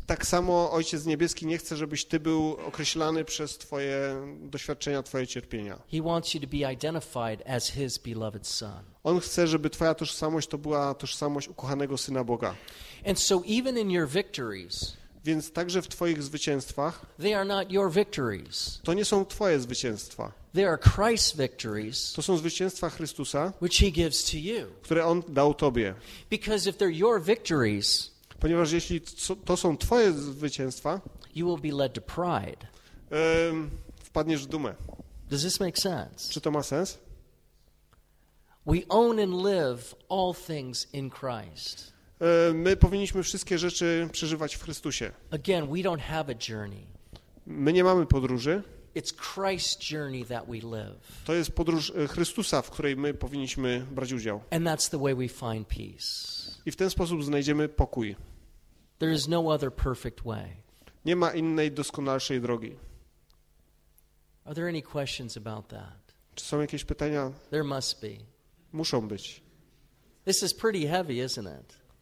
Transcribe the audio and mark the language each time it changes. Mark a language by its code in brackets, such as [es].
[pl] Tak samo Ojciec Niebieski nie chce, żebyś ty był określany przez twoje doświadczenia, twoje cierpienia. [en] He wants you to be identified as his beloved son. [pl] On chce, żeby twoja tożsamość to była tożsamość ukochanego Syna Boga. [en] And so even in your victories, [pl] więc także w twoich zwycięstwach, [en] they are not your victories. [pl] To nie są twoje zwycięstwa. [en] They are Christ's victories, [pl] to są zwycięstwa Chrystusa, [en] which he gives to you. [pl] Które on dał tobie. [en] Because if they're your victories, [pl] ponieważ jeśli to są twoje zwycięstwa, [en] you will be led to pride. [pl] Wpadniesz w dumę. [en] Does this make sense? [pl] Czy to ma sens? [en] We own and live all things in Christ. [pl] My powinniśmy wszystkie rzeczy przeżywać w Chrystusie. [en] Again, we don't have a journey. [pl] My nie mamy podróży. [en] It's Christ's journey that we live. [pl] To jest podróż Chrystusa, w której my powinniśmy brać udział. [en] And that's the way we find peace. [pl] I w ten sposób znajdziemy pokój. [en] There is no other perfect way. [pl] Nie ma innej doskonalszej drogi. [en] Are there any questions about that? [pl] Czy są jakieś pytania? [en] There must be. [pl] Muszą być. [en] This is pretty heavy, isn't it?